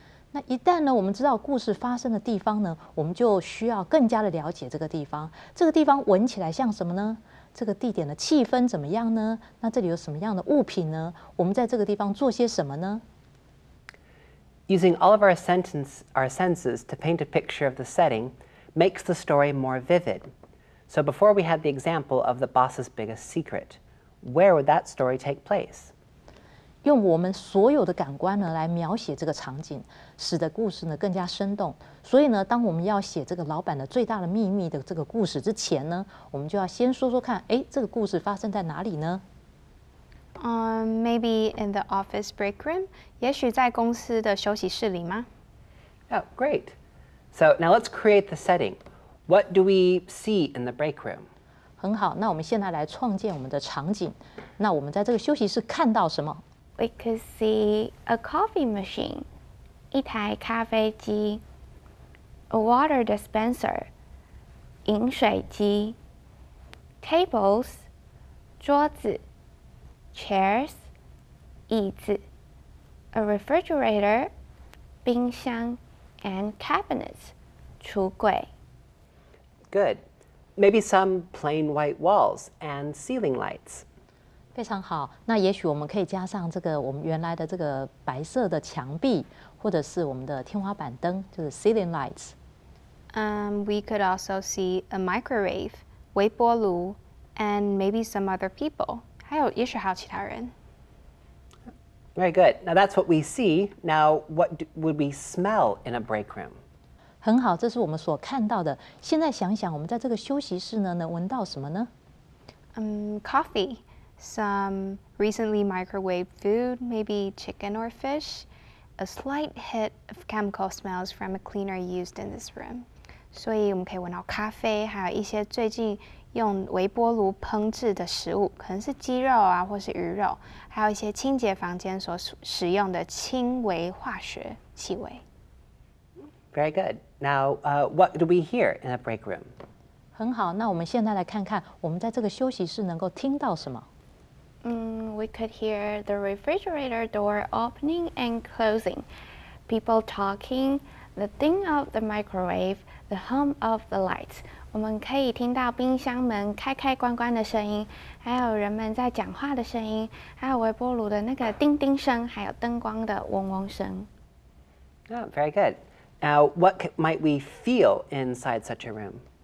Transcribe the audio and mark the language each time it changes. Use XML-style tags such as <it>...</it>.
<zh>那一旦呢，我们知道故事发生的地方呢，我们就需要更加的了解这个地方。这个地方闻起来像什么呢？这个地点的气氛怎么样呢？那这里有什么样的物品呢？我们在这个地方做些什么呢？</zh> <en>Using all of our senses to paint a picture of the setting makes the story more vivid. So before we had the example of the boss's biggest secret, where would that story take place?</en> <zh>用我们所有的感官呢来描写这个场景，使得故事呢更加生动。所以呢，当我们要写这个老板的最大的秘密的这个故事之前呢，我们就要先说说看，哎，这个故事发生在哪里呢？</zh> <en>Maybe in the office break room.</en> <zh>也许在公司的休息室里吗</zh> <en>？Oh, great. So now let's create the setting. What do we see in the break room?</en> <zh>很好，那我们现在来创建我们的场景。那我们在这个休息室看到什么？</zh> <en>We could see a coffee machine,</en> <zh>一台咖啡机</zh> <en>a water dispenser,</en> <zh>饮水机</zh> <en>tables,</en> <zh>桌子</zh> <en>chairs,</en> <zh>椅子,</zh> <en>a refrigerator,</en> <zh>冰箱,</zh> <en>and cabinets,</en> <zh>橱柜.</zh> <en>Good. Maybe some plain white walls and ceiling lights.</en> <zh>非常好，那也许我们可以加上这个我们原来的这个白色的墙壁，或者是我们的天花板灯，就是</zh> <en>ceiling lights. We could also see a microwave,</en> <zh>微波炉,</zh> <en>and maybe some other people.</en> <zh>还有也许还有其他人。</zh> <en>Very good. Now that's what we see. Now what would we smell in a break room?</en> <zh>很好，这是我们所看到的。现在想想，我们在这个休息室呢，能闻到什么呢？</zh> <en>Coffee. Some recently microwaved food, maybe chicken or fish. A slight hit of chemical smells from a cleaner used in this room.</en> <zh>所以我们可以闻到咖啡，还有一些最近用微波炉烹制的食物，可能是鸡肉啊，或是鱼肉，还有一些清洁房间所使用的轻微化学气味。</zh> <en>Very good. Now, what do we hear in a break room?</en> <zh>很好，那我们现在来看看我们在这个休息室能够听到什么。</zh> <en>We could hear the refrigerator door opening and closing, people talking, the ding of the microwave, the hum of the lights.</en> <zh>我们可以听到冰箱门开开关关的声音，还有人们在讲话的声音，还有微波炉的那个叮叮声，还有灯光的嗡嗡声。</zh> <en>Oh, very good. Now, what might we feel inside such a room?</en>